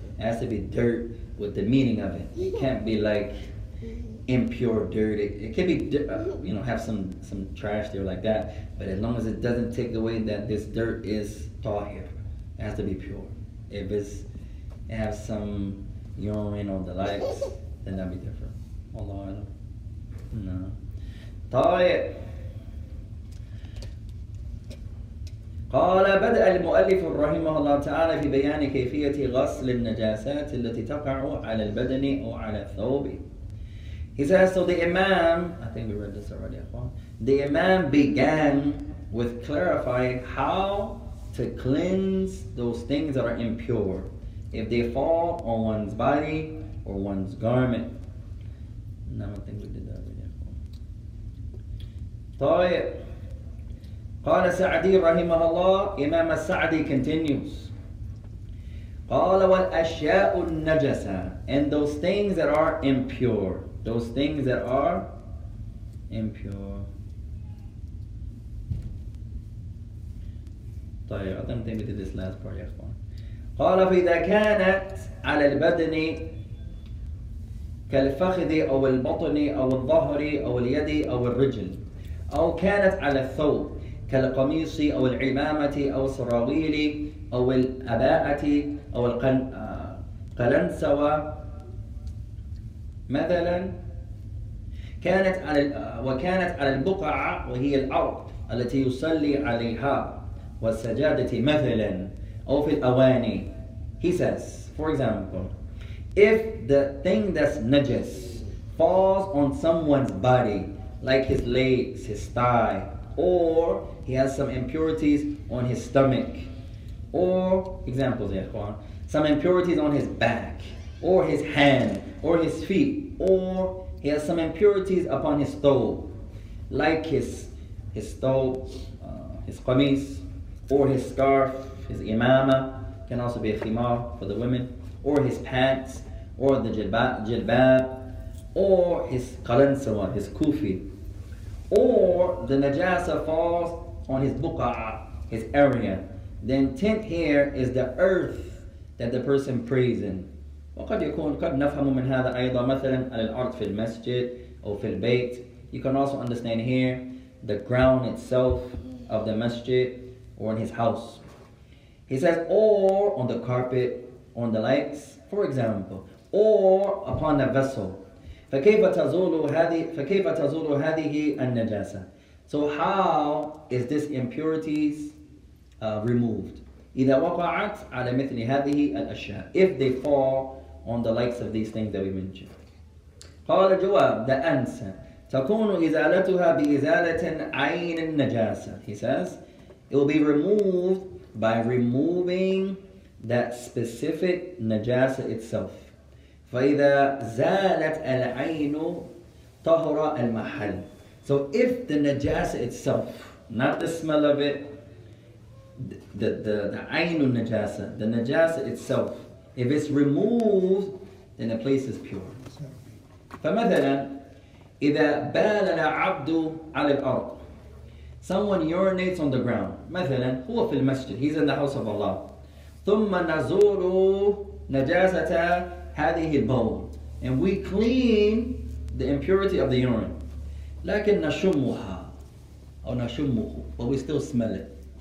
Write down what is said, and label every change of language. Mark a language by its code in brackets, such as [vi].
[en] It has to be dirt with the meaning of it. It can't be like impure dirt. It can be, you know, have some trash there like that, but as long as it doesn't take away that this dirt is tahir, it has to be pure. If it's, it has some urine or the likes, then that'd be different. Allah, I don't know. [ar] طيب قال بدأ المؤلف رحمه الله تعالى في بيان كيفية غسل النجاسات التي تقع على البدن أو على الثوب. [en] He says, so the Imam, I think we read this already, the Imam began with clarifying how to cleanse those things that are impure if they fall on one's body or one's garment. No, I think we did that already. [ar] طيب قال سعدي رحمه الله إمام السعدي [en] continues [ar] قال والأشياء النجسة [en] and those things that are impure. Those things that are impure. [ar] طيب [en] I don't think we did this last part [ar] يا إخوان. قال فإذا كانت على البدن كالفخذ أو البطن أو الظهر أو اليد أو الرجل أو كانت على الثوب كالقميص أو العمامة أو السراويل أو الأباءة أو القلنسوة مثلا كانت على وكانت على البقعة وهي الأرض التي يصلي عليها والسجادة مثلا أو في الأواني. [en] He says, for example, if the thing that's najis falls on someone's body, like his legs, his thigh, or he has some impurities on his stomach, or examples, some impurities on his back, or his hand, or his feet, or he has some impurities upon his thobe, like his qamis, or his scarf, his imama, can also be a khimar for the women, or his pants, or the jilbab, or his qalansawa, his kufi, or the najasa falls on his buqa'a, his area, then tint here is the earth that the person prays in. [ar] وقد يكون قد نفهم من هذا أيضا مثلا على الأرض في المسجد أو في البيت. [en] You can also understand here the ground itself of the masjid or in his house. He says, or on the carpet, on the lights, for example, or upon the vessel. [ar] فكيف تزول هذه النجاسة. [en] So how is this impurities removed? [ar] إذا وقعت على مثل هذه الأشياء. [en] If they fall on the likes of these things that we mentioned. [ar] قال جواب [en] the answer. [ar] تكون إزالتها بإزالة عين النجاسة. [en] He says, it will be removed by removing that specific نجاسة itself. [ar] فإذا زالت العين طهر المحل. [en] So if the najasa itself, not the smell of it, the ayinu najasa, the najasa itself. If it's removed, then the place is pure. [ar] فمثلا إذا بال العبد على الأرض, [en] someone urinates on the ground. [ar] مثلا هو في المسجد, [en] he's in the house of Allah. [ar] ثم نزور نجاسة هذه البول, [en] and we clean the impurity of the urine. [ar] لكن نشمها أو نشمه, [en] but we still smell it.